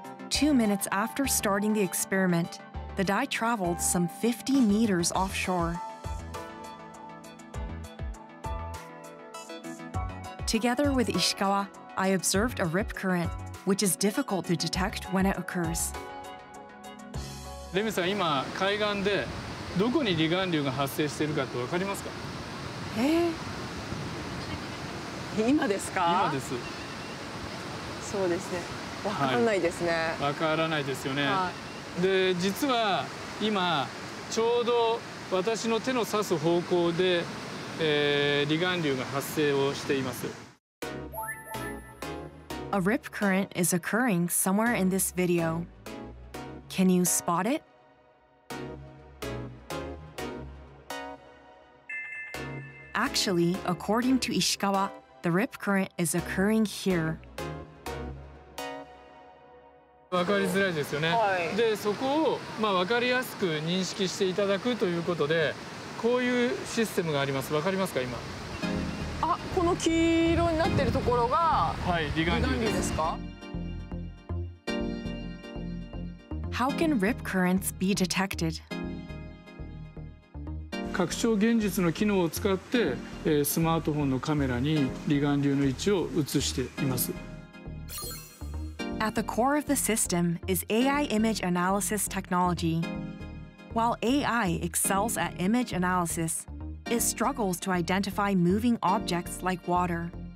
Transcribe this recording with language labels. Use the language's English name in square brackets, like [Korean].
[English] 2 minutes after starting the experiment, the dye traveled some 50 meters offshore. Together with Ishikawa, I observed a rip current, which is difficult to detect when it occurs. [Japanese] Remy-san, 今海岸でどこに離岸流が発生しているかって分かりますか？今ですか？今です。そうですね。分かんないですね。はい、分からないですよね。はい、で、実は今ちょうど私の手の指す方向で、離岸流が発生をしています。 [English] A rip current is occurring somewhere in this video. Can you spot it? Actually, according to Ishikawa, the rip current is occurring here. [Japanese] わかりづらいですよね。はい、で、そこをまあわかりやすく認識していただくということで、こういうシステムがあります。わかりますか、今？この黄色になってるところが、はい、離岸流ですか？ [English] How can rip currents be detected? [Japanese] 拡張現実の機能を使って、スマートフォンのカメラに離岸流の位置を映しています。 [English] At the core of the system is AI image analysis technology. While AI excels at image analysis,It struggles to identify moving objects like water.